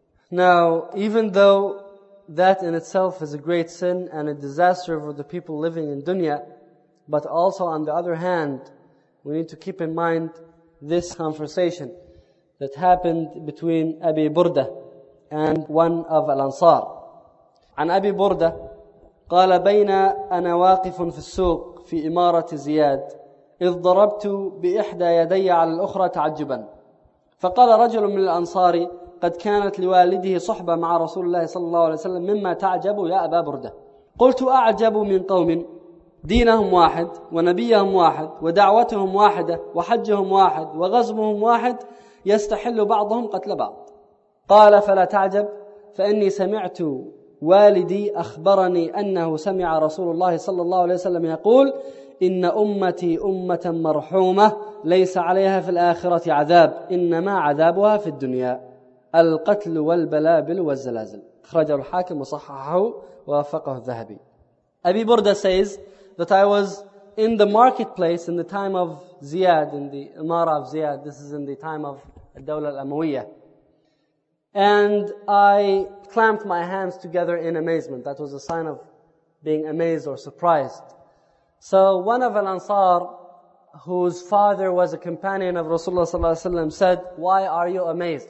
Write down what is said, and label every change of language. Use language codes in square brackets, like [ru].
[en] Now, even though that in itself is a great sin and a disaster for the people living in dunya, but also on the other hand, we need to keep in mind this conversation that happened between Abi Burda and one of Al-Ansar. [ar] عن أبي بردة قال بين أنا واقف في السوق في إمارة زياد إذ ضربت بإحدى يدي على الأخرى تعجبا فقال رجل من الأنصار قد كانت لوالده صحبة مع رسول الله صلى الله عليه وسلم مما تعجب يا أبا بردة قلت أعجب من قوم دينهم واحد ونبيهم واحد ودعوتهم واحدة وحجهم واحد وغزمهم واحد يستحل بعضهم قتل بعض قال فلا تعجب فإني سمعت والدي أخبرني أنه سمع رسول الله صلى الله عليه وسلم يقول إن أمتي أمة مرحومة ليس عليها في الآخرة عذاب إنما عذابها في الدنيا القتل والبلابل والزلازل أخرجه الحاكم وصححه ووافقه الذهبي. [en] أبي بردة says that I was in the marketplace in the time of Ziyad, in the Imara of Ziyad. This is in the time of الدولة الأموية. And I clamped my hands together in amazement. That was a sign of being amazed or surprised. So one of Al-Ansar, whose father was a companion of Rasulullah sallallahu alaihi wasallam, said, why are you amazed?